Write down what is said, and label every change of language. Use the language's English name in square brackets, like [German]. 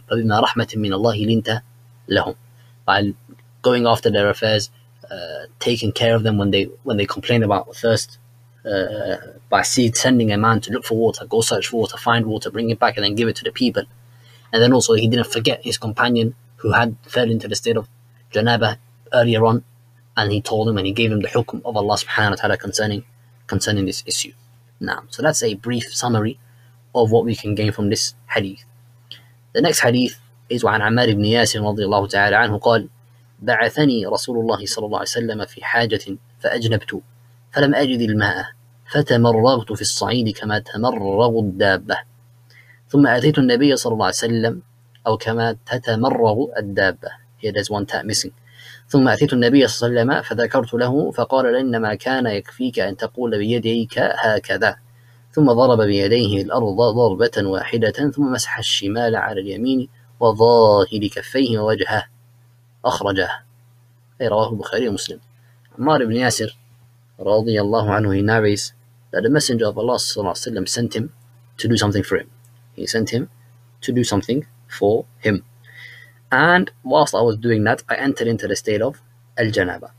[Arabic] فَبِمَا رَحْمَةٍ مِّنَ اللَّهِ لِنْتَ لَهُمْ, [English] by going after their affairs, taking care of them when they complain about thirst, by sending a man to look for water, go search for water, find water, bring it back and then give it to the people. And then also he didn't forget his companion who had fell into the state of janaba earlier on, and he told him and he gave him the hukum of Allah subhanahu wa ta'ala concerning this issue. Now, so that's a brief summary of what we can gain from this hadith. The next hadith is [Arabic] عن عمار بن ياسر رضي الله تعالى عنه قال بعثني رسول الله صلى الله عليه وسلم في حاجة فأجنبت فلم أجد الماء فتمرغت في الصعيد كما تمرغ الدابة ثم أتيت النبي صلى الله عليه وسلم أو كما تتمرغ الدابة. [English] Here there's one tap missing. [Arabic] ثم أتيت النبي صلى الله عليه وسلم فذكرت له فقال إنما كان يكفيك أن تقول بيديك هكذا ثم ضرب بيديه الأرض ضربة واحدة ثم مسح الشمال على اليمين وظاهر كفيه ووجهه أخرجه. أي رواه البخاري ومسلم. [English] عمار بن ياسر رضي الله عنه, he narrates that the messenger of Allah [Arabic] صلى الله عليه وسلم [English] sent him to do something for him. He sent him to do something for him. And whilst I was doing that, I entered into the state of Al-Janaba.